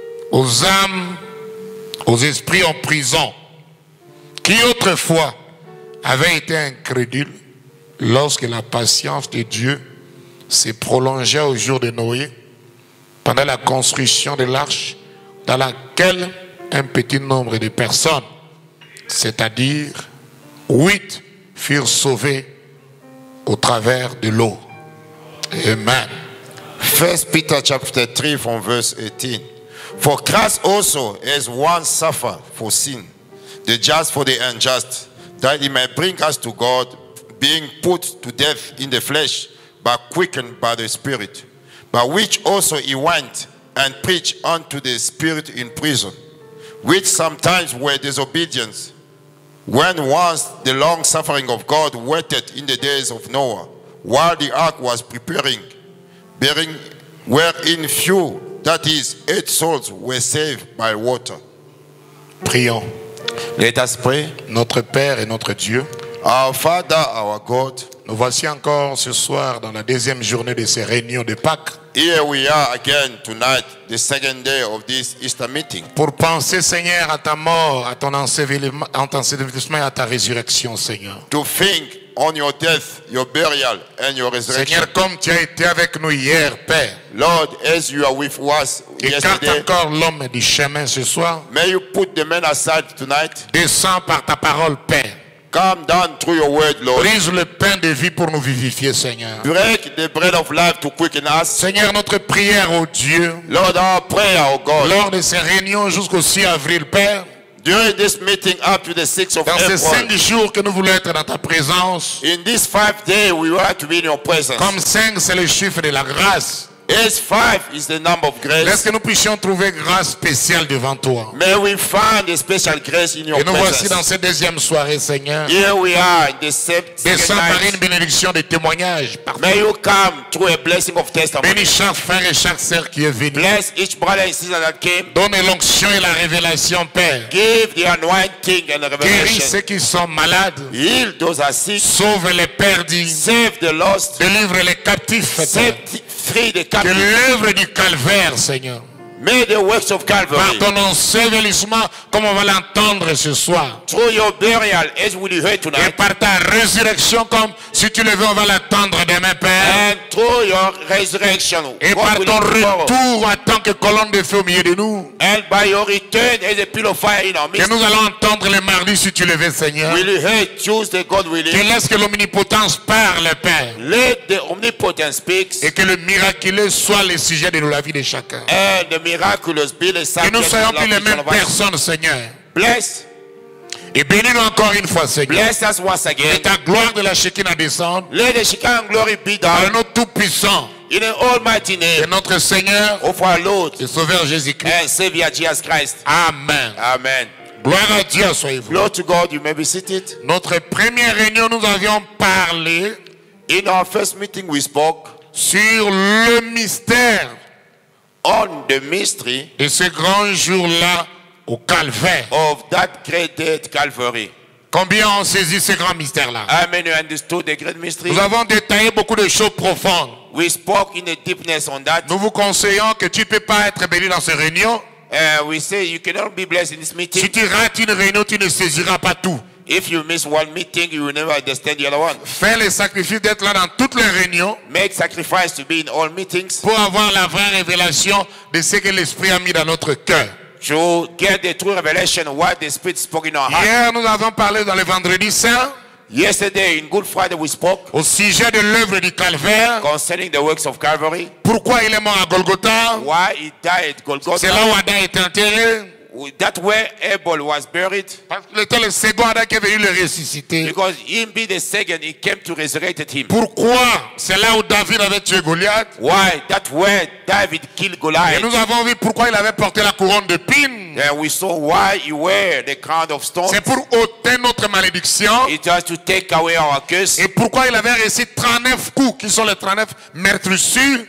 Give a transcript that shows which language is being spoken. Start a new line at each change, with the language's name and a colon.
French: aux âmes, aux esprits en prison, qui autrefois avaient été incrédules lorsque la patience de Dieu se prolongea au jour de Noé, pendant la construction de l'arche, dans laquelle un petit nombre de personnes, c'est-à-dire 8, furent sauvées au travers de l'eau. Amen.
English: 1 Peter chapter 3 from verse 18. For Christ also has once suffered for sin, the just for the unjust, that he may bring us to God, being put to death in the flesh, but quickened by the Spirit, by which also he went and preached unto the Spirit in prison, which sometimes were disobedient, when once the long suffering of God waited in the days of Noah, while the ark was preparing, bearing wherein few, that is, 8 souls were saved by water.
French: Prions.
English: Let us pray.
French: Notre Père et notre Dieu.
English: Our Father, our God.
French: Nous voici encore ce soir dans la deuxième journée de ces réunions de Pâques.
English: Here we are again tonight, the second day of this Easter meeting.
French: Pour penser, Seigneur, à ta mort, à ton ensevelissement et à ta résurrection, Seigneur.
English: To think on your death, your burial, and your resurrection.
French: Seigneur, comme tu as été avec nous hier, Père.
English: Lord, as you are with us yesterday.
French: Écarte encore l'homme du chemin ce soir.
English: May you put the man aside tonight.
French: Descends par ta parole, Père.
English: Come down through your word, Lord.
French: Brise le pain de vie pour nous vivifier, Seigneur.
English: Break the bread of life to quicken us.
French: Seigneur, notre prière au Dieu.
English: Lord, our prayer, oh God.
French: Lors de ces réunions jusqu'au 6 avril, Père.
English: During this meeting up to the 6th of
French: dans
English: April.
French: Dans ces 5 jours que nous voulons être dans ta présence.
English: In these 5 days, we want to be in your presence.
French: Comme 5, c'est le chiffre de la grâce.
English: As 5 is the number of grace.
French: Laisse que nous puissions trouver grâce spéciale devant toi.
English: May we find a special grace in your presence.
French: Et nous voici dans cette deuxième soirée, Seigneur.
English: Here we are in the second
French: descends par une bénédiction de témoignage. Partout.
English: May you come through a blessing of testimony.
French: Bénis chaque frère et chaque sœur qui est venu.
English: Bless each brother and sister that came.
French: Donne l'onction et la révélation, Père.
English: Give the anointing and the revelation.
French: Guéris ceux qui sont malades.
English: Heal those who are sick.
French: Sauve les perdus.
English: Save the lost.
French: Délivre les captifs. Que l'œuvre du calvaire, Seigneur.
English: May the works of Calvary.
French: Par ton ensevelissement, comme on va l'entendre ce soir.
English: Through your burial, as we heard tonight.
French: Et par ta résurrection, comme si tu le veux, on va l'entendre demain, Père.
English: And through your resurrection.
French: Et par ton retour en tant que colonne de feu au milieu de nous.
English: And by your return as a pillar of fire in our midst.
French: Que nous allons entendre le mardi si tu le veux, Seigneur.
English: Will you hear Tuesday, God willing.
French: Que laisse que l'omnipotence parle, Père.
English: Let the omnipotence speak.
French: Et que le miraculeux soit le sujet de la vie de chacun.
English: And the miraculous be the
French: que nous soyons plus les mêmes personnes, Seigneur.
English: Bless.
French: Et bénis-nous encore une fois, Seigneur.
English: Bless us once again.
French: Que ta gloire de la Shekinah descende.
English: Let the Shekinah glory be down.
French: Par nous tout puissant.
English: In an almighty name.
French: Que notre Seigneur.
English: Of our Lord.
French: Et Sauveur Jésus-Christ.
English: And Savior Jesus Christ.
French: Amen.
English: Amen.
French: Gloire à Dieu, soyez-vous.
English: Glory to God, you may be seated.
French: Notre première réunion, nous avions parlé.
English: In our first meeting, we spoke.
French: Sur le mystère.
English: On the mystery
French: de ce grand jour-là au calvaire.
English: Of that great day at Calvary.
French: Combien ont saisi ce grand mystère-là?
English: How many understood the great mystery?
French: Nous avons détaillé beaucoup de choses profondes.
English: We spoke in the deepness on that.
French: Nous vous conseillons que tu ne peux pas être béni dans ces réunions.
English: We say you cannot be blessed in this meeting.
French: Si tu rates une réunion, tu ne saisiras pas tout.
English: If you miss one meeting, you will never understand the other one.
French: Fais le sacrifice d'être là dans toutes les réunions.
English: Make sacrifice to be in all meetings.
French: Pour avoir la vraie révélation de ce que l'Esprit a mis dans notre cœur.
English: To get the true revelation of what the Spirit spoke in our heart.
French: Hier, nous avons parlé dans le vendredi saint.
English: Yesterday, in Good Friday, we spoke.
French: Au sujet de l'œuvre du calvaire.
English: Concerning the works of Calvary.
French: Pourquoi il est mort à Golgotha?
English: Why he died at Golgotha?
French: C'est là où Adam est enterré.
English: That way, Abel was buried.
French: Le second Adam qui est venu le ressusciter.
English: Because him being the second, he came to resurrect him.
French: Pourquoi? C'est là où David avait tué Goliath.
English: Why? That way, David killed Goliath.
French: Et nous avons vu pourquoi il avait porté la couronne de pines.
English: And we saw why he wore the crown of stones.
French: C'est pour ôter notre malédiction.
English: It was to take away our curse.
French: Et pourquoi il avait reçu 39 coups, qui sont les 39 meurtrissures?